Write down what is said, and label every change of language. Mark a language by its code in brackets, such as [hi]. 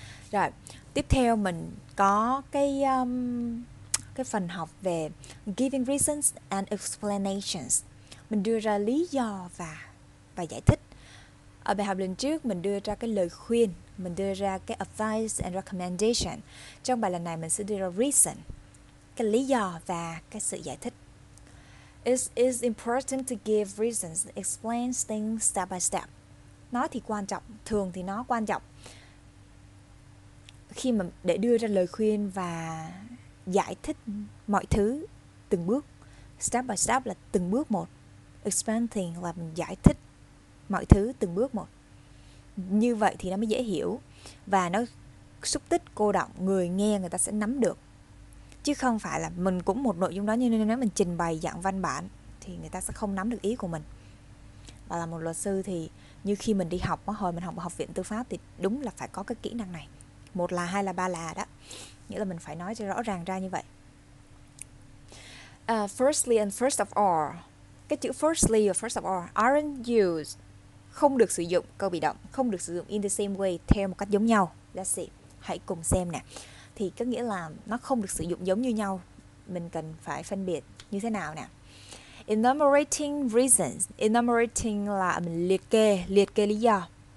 [vi] Rồi tiếp theo mình có cái phần học về giving reasons and explanations, mình đưa ra lý do và giải thích. Ở bài học lần trước mình đưa ra cái lời khuyên, mình đưa ra cái advice and recommendation. Trong bài lần này mình sẽ đưa ra reason, cái lý do và cái sự giải thích. [en] It's important to give reasons, explain things step by step. [vi] Nó thì quan trọng, thường thì nó quan trọng khi mà để đưa ra lời khuyên và giải thích mọi thứ từng bước. Step by step là từng bước một. Explaining là mình giải thích mọi thứ từng bước một. Như vậy thì nó mới dễ hiểu và nó xúc tích cô đọng, người nghe người ta sẽ nắm được. Chứ không phải là mình cũng một nội dung đó, nhưng nếu mình trình bày dạng văn bản thì người ta sẽ không nắm được ý của mình. Và là một luật sư thì như khi mình đi học, hồi mình học ở Học viện Tư pháp thì đúng là phải có cái kỹ năng này. Một là, hai là, ba là đó. Nghĩa là mình phải nói cho rõ ràng ra như vậy. [en] Firstly and first of all. [vi] Cái chữ firstly và first of all [en] aren't used. [vi] Không được sử dụng, câu bị động. Không được sử dụng [en] in the same way, [vi] theo một cách giống nhau. [en] Let's see. [vi] Hãy cùng xem nè. Thì có nghĩa là nó không được sử dụng giống như nhau. Mình cần phải phân biệt như thế nào nè. Enumerating reasons. Enumerating là mình liệt kê lý do.